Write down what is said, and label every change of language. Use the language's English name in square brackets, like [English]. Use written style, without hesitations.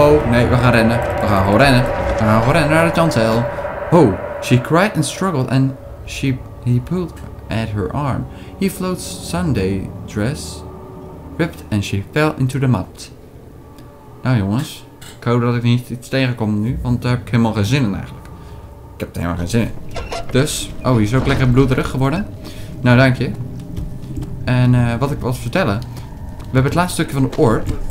[Dutch] Nee, we gaan rennen. We gaan gewoon rennen naar de chancel. [English] Oh, she cried and struggled and he pulled at her arm. He floats Sunday dress. Ripped and she fell into the mud. [Dutch] Nou jongens, ik hoop dat ik niet iets tegenkom nu, want daar heb ik helemaal geen zin in eigenlijk. Ik heb er helemaal geen zin in. Dus, oh, hier is ook lekker bloederig geworden. Nou, dank je. En wat ik was vertellen. We hebben het laatste stukje van de orb.